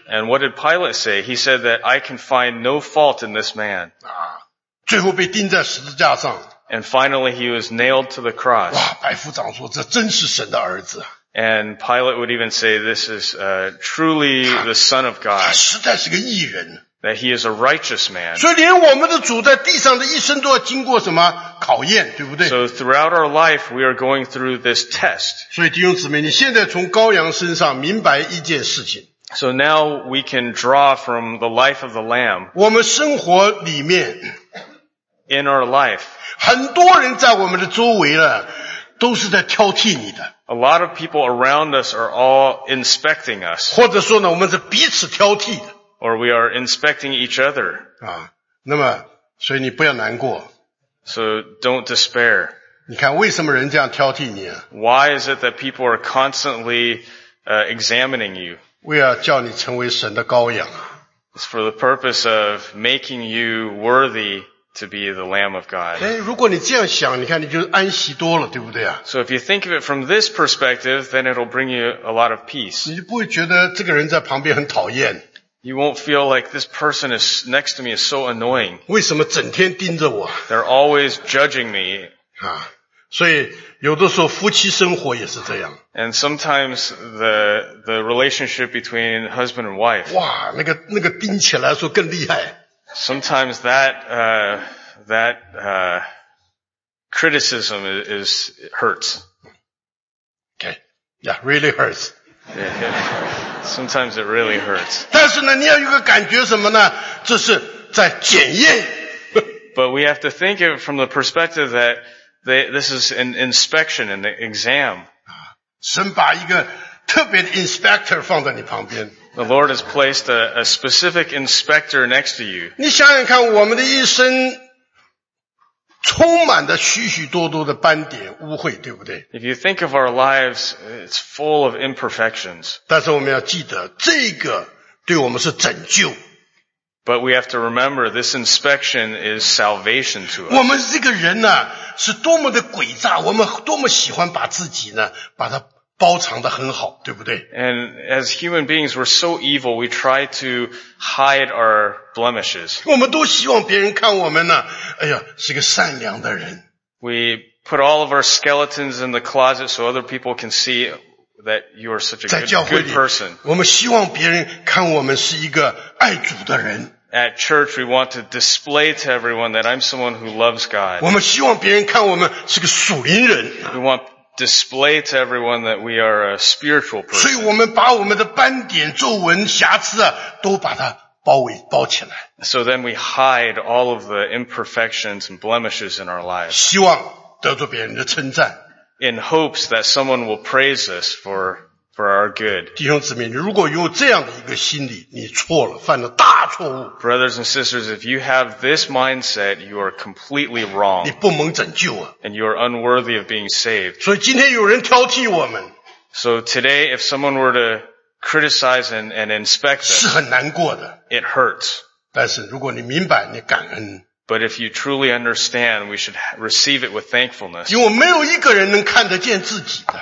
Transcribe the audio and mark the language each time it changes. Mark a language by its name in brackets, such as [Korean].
[English] And what did Pilate say? He said that I can find no fault in this man. [Chinese] 最后被钉在十字架上。 [English] And finally he was nailed to the cross. [Chinese] 哇, 白夫长说, 这真是神的儿子。 [English] And Pilate would even say this is truly the Son of God. [Chinese] 他实在是个义人。 [English] That he is a righteous man. [Chinese] 所以连我们的主在地上的一生都要经过什么考验, 对不对? [English] So throughout our life we are going through this test. [Chinese] 所以弟兄姊妹, 你现在从羔羊身上明白一件事情。 [English] So now we can draw from the life of the Lamb. [Chinese] 我们生活里面, [English] in our life, [Chinese] 很多人在我们的周围呢, [English] a lot of people around us are all inspecting us. [Chinese] 或者说呢, [English] or we are inspecting each other. [Chinese] 啊, 那么, [English] so don't despair. [Chinese] 你看为什么人这样挑剔你, [English] why is it that people are constantly examining you? [Chinese] 为了叫你成为神的羔羊。 [English] It's for the purpose of making you worthy to be the Lamb of God. [Chinese] 如果你这样想，你看你就安息多了，对不对啊？ [English] So if you think of it from this perspective, then it'll bring you a lot of peace. [Chinese] 你就不会觉得这个人在旁边很讨厌。 [English] You won't feel like this person is next to me is so annoying. [Chinese] 为什么整天盯着我？ [English] They're always judging me. [Chinese] 啊，所以有的时候夫妻生活也是这样。 [English] And sometimes the relationship between husband and wife. [Chinese] 哇，那个盯起来说更厉害。 [English] Sometimes that criticism is hurts. Okay. Yeah, really hurts. Sometimes it really hurts. [Chinese] 但是呢，你要有个感觉什么呢？这是在检验。 [English] But we have to think of it from the perspective that this is an inspection, an exam. [Chinese] 神把一个特别的 inspector 放在你旁边。 [English] The Lord has placed a specific inspector next to you. [Chinese] 你想想看，我们的一生充满着许许多多的斑点污秽，对不对？ [English] If you think of our lives, it's full of imperfections. [Chinese] 但是我们要记得，这个对我们是拯救。 [English] But we have to remember this inspection is salvation to us. [Chinese] 我们这个人呢，是多么的诡诈，我们多么喜欢把自己呢，把它包藏得很好，对不对？ [English] And as human beings, we're so evil, we try to hide our blemishes. [Chinese] 我们都希望别人看我们呢，哎呀，是个善良的人。 [English] We put all of our skeletons in the closet so other people can see that you are such a good person. [Chinese] 我们希望别人看我们是一个爱主的人。 [English] At church, we want to display to everyone that I'm someone who loves God. [Chinese] 我们希望别人看我们是个属灵人。 [English] We want display to everyone that we are a spiritual person. [Chinese] 所以我们把我们的斑点、皱纹、瑕疵啊，都把它包起来。 [English] So then we hide all of the imperfections and blemishes in our lives. [Chinese] 希望得到别人的称赞。 [English] In hopes that someone will praise us for our good. [Chinese] 弟兄姊妹，你如果有这样的一个心理，你错了，犯了大错误。 [English] Brothers and sisters, if you have this mindset, you are completely wrong. [Chinese] 你不蒙拯救啊。 [English] And you are unworthy of being saved. [Chinese] 所以今天有人挑剔我们。 [English] So today, if someone were to criticize and inspect us, [Chinese] 是很难过的。 [English] It hurts. [Chinese] 但是如果你明白，你感恩。 [English] But if you truly understand, we should receive it with thankfulness. [Chinese] 因为没有一个人能看得见自己的。